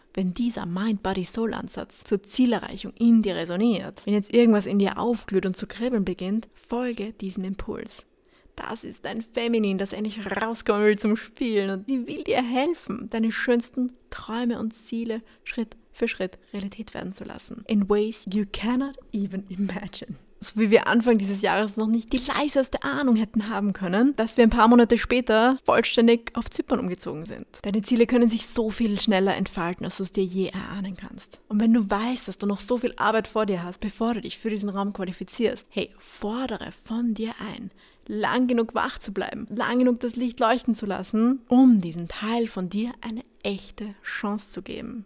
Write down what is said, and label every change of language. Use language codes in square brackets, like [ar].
[de] Wenn dieser Mind-Body-Soul-Ansatz zur Zielerreichung in dir resoniert, wenn jetzt irgendwas in dir aufglüht und zu kribbeln beginnt, folge diesem Impuls. Das ist dein Feminin, das endlich rauskommen will zum Spielen und die will dir helfen, deine schönsten Träume und Ziele Schritt für Schritt Realität werden zu lassen. [en] In ways you cannot even imagine. [de] So wie wir Anfang dieses Jahres noch nicht die leiseste Ahnung hätten haben können, dass wir ein paar Monate später vollständig auf Zypern umgezogen sind. Deine Ziele können sich so viel schneller entfalten, als du es dir je erahnen kannst. Und wenn du weißt, dass du noch so viel Arbeit vor dir hast, bevor du dich für diesen Raum qualifizierst, hey, fordere von dir ein, lang genug wach zu bleiben, lang genug das Licht leuchten zu lassen, um diesem Teil von dir eine echte Chance zu geben.